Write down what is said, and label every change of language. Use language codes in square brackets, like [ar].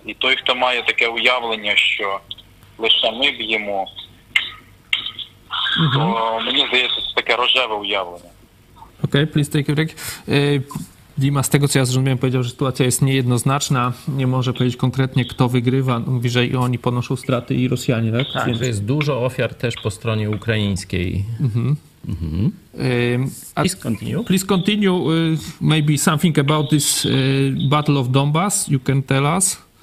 [uk] І той, хто має таке уявлення, що лише ми б'ємо, то мені здається, це таке рожеве уявлення. [pl] Окей, [en] please take a break. [pl] Dima, z tego co ja zrozumiałem, powiedział, że sytuacja jest niejednoznaczna, nie może powiedzieć konkretnie kto wygrywa, mówi, że i oni ponoszą straty i Rosjanie, tak? Tak, więc... że jest dużo ofiar też po stronie ukraińskiej. [en] Please continue. Please continue, maybe something about this Battle of Donbas, you can tell us.